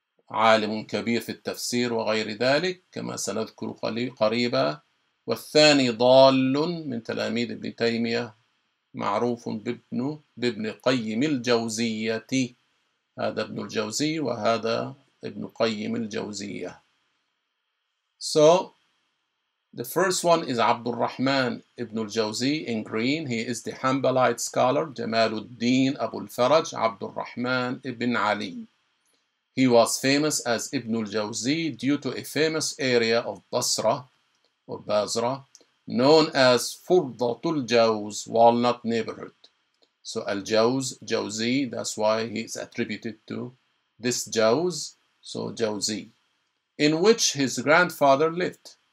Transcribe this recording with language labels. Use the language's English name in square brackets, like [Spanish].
[Arabic] عالم كبير في التفسير وغير ذلك كما سنذكر قريبا والثاني ضال من تلاميذ ابن تيمية معروف بابن قيم الجوزية هذا ابن الجوزي وهذا ابن قيم الجوزية [English] So The first one is عبد الرحمن ابن الجوزي in green. He is the Hanbalite scholar. [Arabic] جمال الدين أبو الفرج عبد الرحمن ابن علي. [English] He was famous as ابن الجوزي due to a famous area of Basra or Basra known as فرضة الجوز Walnut neighborhood. So الجوز جوزي, that's why he is attributed to this جوز, so جوزي, in which his grandfather lived.